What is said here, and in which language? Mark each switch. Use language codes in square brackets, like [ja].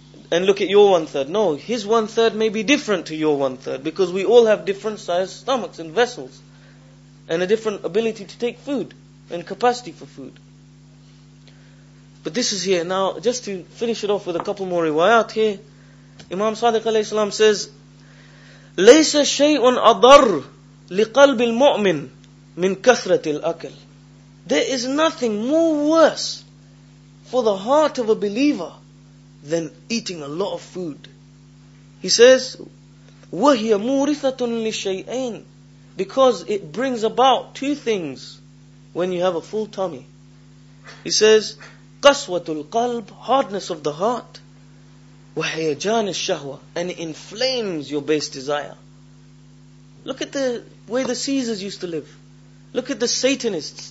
[en] And look at your one third. No, his one third may be different to your one third. Because we all have different sized stomachs and vessels. And a different ability to take food and capacity for food. But this is here. Now, just to finish it off with a couple more riwayat here. [ar] Imam Sadiq alayhi salam says, لَيْسَ شَيْءٌ أَضَرُ لِقَلْبِ الْمُؤْمِنِ مِنْ كَثْرَةِ الْأَكَلِ. [en] There is nothing more worse for the heart of a believer than eating a lot of food. He says, [ar] وَهِيَ مُورِثَةٌ لِشَيْءٍ. [en] Because it brings about two things when you have a full tummy. He says, [ar] قَسْوَةُ الْقَلْبِ, [en] hardness of the heart. [ar] وَحَيَجَانِ الشَّهْوَى, [en] and it inflames your base desire. Look at the way the Caesars used to live. Look at the Satanists.